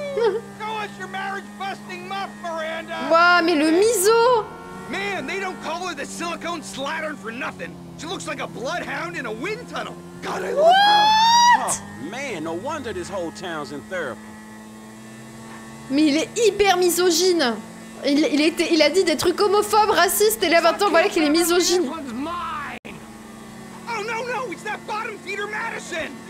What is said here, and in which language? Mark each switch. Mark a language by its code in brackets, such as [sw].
[en] Show us your marriage busting muff, Miranda. [fr] Ouais, mais le miso. [en] Man, they don't call her the silicone slattern for nothing. She looks like a bloodhound in a wind tunnel. God, I love what? Her. Oh, man, no wonder this whole town's in therapy. [fr] Mais il est hyper misogyne. Il a dit des trucs homophobes, racistes, et là maintenant voilà qu'il est misogyne. [en] Oh no no, it's that bottom feeder Madison.